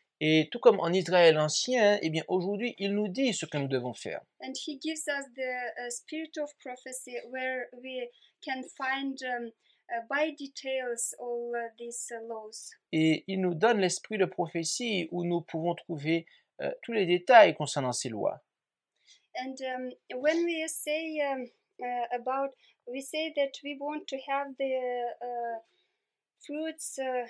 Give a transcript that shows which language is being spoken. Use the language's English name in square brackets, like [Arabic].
[French] Et tout comme en Israël ancien, eh bien aujourd'hui, il nous dit ce que nous devons faire. [English] And he gives us the spirit of prophecy where we can find by details all these laws. [French] Et il nous donne l'esprit de prophétie où nous pouvons trouver tous les détails concernant ces lois. [English] And when we say about, we say that we want to have the fruits.